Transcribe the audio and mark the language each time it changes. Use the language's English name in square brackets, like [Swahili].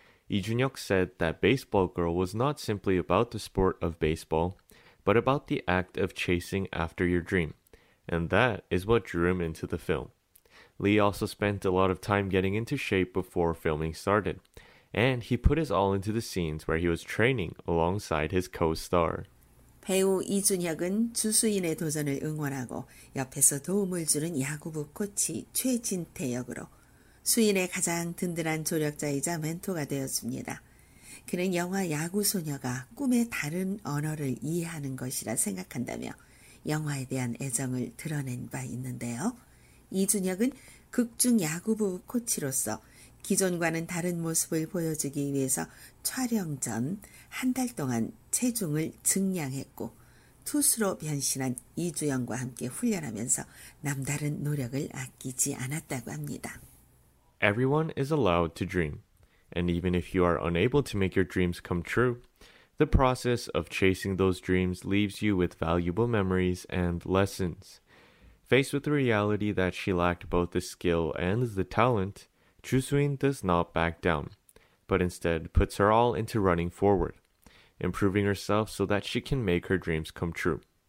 [English] Lee Jun-hyuk said that Baseball Girl was not simply about the sport of baseball, but about the act of chasing after your dream, and that is what drew him into the film. Lee also spent a lot of time getting into shape before filming started, and he put his all into the scenes where he was training alongside his co-star. [Korean] 배우 이준혁은 주수인의 도전을 응원하고 옆에서 도움을 주는 야구부 코치 최진태 역으로 수인의 가장 든든한 조력자이자 멘토가 되었습니다. 그는 영화 야구소녀가 꿈의 다른 언어를 이해하는 것이라 생각한다며 영화에 대한 애정을 드러낸 바 있는데요. 이준혁은 극중 야구부 코치로서 기존과는 다른 모습을 보여주기 위해서 촬영 전 한 달 동안 체중을 증량했고 투수로 변신한 이주영과 함께 훈련하면서 남다른 노력을 아끼지 않았다고 합니다. [English] Everyone is allowed to dream. And even if you are unable to make your dreams come true, the process of chasing those dreams leaves you with valuable memories and lessons. Faced with the reality that she lacked both the skill and the talent, Ju Soo-in does not back down, but instead puts her all into running forward, improving herself so that she can make her dreams come true.